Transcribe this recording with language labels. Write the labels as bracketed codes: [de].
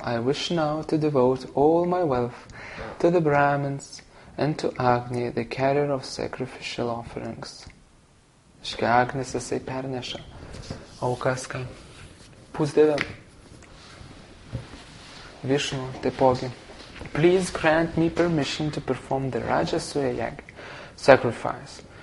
[en] I wish now to devote all my wealth to the Brahmins, and to Agni, the carrier of sacrificial offerings. [lt] Iškia, Agnis jisai perneša aukas, ką pusdėvė Vishnu, taipogi. [en] Please grant me permission to perform the Rajasuya Yagya sacrifice.